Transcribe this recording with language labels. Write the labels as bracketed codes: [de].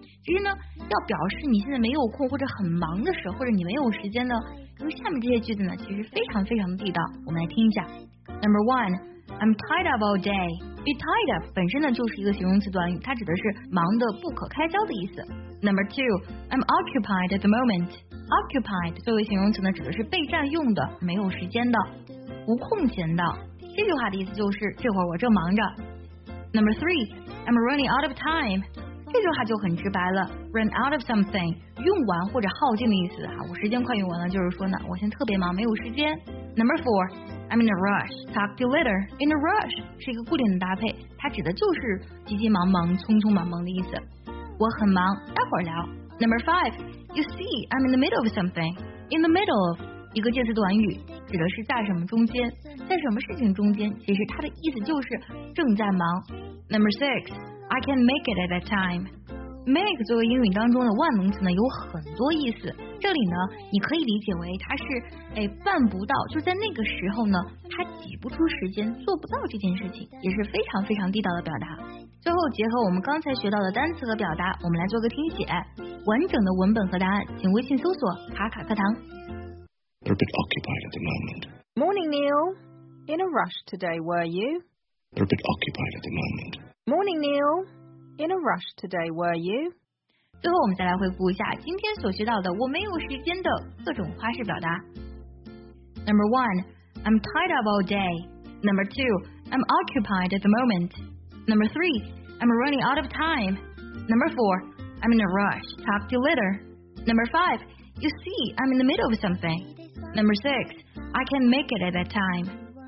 [zh] 其实呢，要表示你现在没有空或者很忙的时候，或者你没有时间呢，用下面这些句子呢，其实非常非常地道。我们来听一下 ， [en] Number one。 I'm tied up all day. Be tied up [zh] 本身呢就是一个形容词短语，它指的是忙得不可开交的意思。 [en] Number two, I'm occupied at the moment. [zh] Occupied 作为形容词呢指的是被占用的，没有时间的，无空闲的。这句话的意思就是这会儿我正忙着。 [en] Number three, I'm running out of time. [zh] 这句话就很直白了 ， [en] run out of something [zh] 用完或者耗尽的意思哈，我时间快用完了，就是说呢我现在特别忙，没有时间。 [en] Number four. I'm in a rush. Talk to you later. In a rush [zh] 是一个固定的搭配，它指的就是急急忙忙、匆匆忙忙的意思。我很忙，待会儿聊。 [en] Number five, you see, I'm in the middle of something. In the middle of [zh] 一个介词短语，指的是在什么中间，在什么事情中间，其实它的意思就是正在忙。 [en] Number six, I can make it at that time. [zh] Make 作为英语当中的万能词呢，有很多意思。这里呢，你可以理解为它是，哎，办不到，就在那个时候呢，它挤不出时间，做不到这件事情，也是非常非常地道的表达。最后结合我们刚才学到的单词和表达，我们来做个听写。完整的文本和答案，请微信搜索“卡卡课堂”。 [en] They're a bit occupied at the moment. Morning, Neil. In a rush today, were you? They're a bit occupied at the moment. Morning, Neil. In a rush today, were you? [zh] 最后我们再来回顾一下今天所学到的我没有时间的各种花式表达。 [en] Number one, I'm tied up all day. Number two, I'm occupied at the moment. Number three, I'm running out of time. Number four, I'm in a rush. Talk to you later. Number five, you see, I'm in the middle of something. Number six, I can make it at that time.